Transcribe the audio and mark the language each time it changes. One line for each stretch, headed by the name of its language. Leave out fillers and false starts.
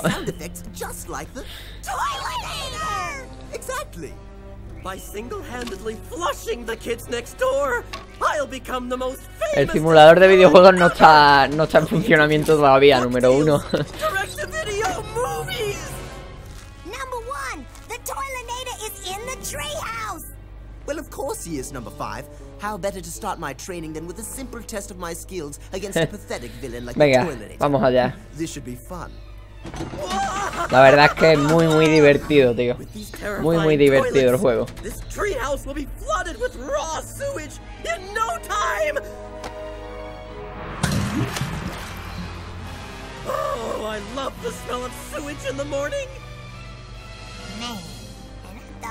English: The sound effects just like the toilet cleaner. Exactly. By single-handedly flushing the Kids Next Door, I'll become the most famous.
Spanish: El simulador de videojuegos no está en funcionamiento todavía, número uno.
English: Direct-to-video movies. Number one, the Toilinator is in the treehouse. Well, of course he is, number five. How better to start my training than with a simple test of my skills against a pathetic villain like the Toilinator?
Spanish: Venga, vamos allá.
English: This should be fun.
Spanish: La verdad es que es muy muy divertido, tío. Muy muy divertido el juego.
English: This treehouse will be flooded with raw sewage in no time. Oh, I love the smell of sewage in the morning. Man, and I thought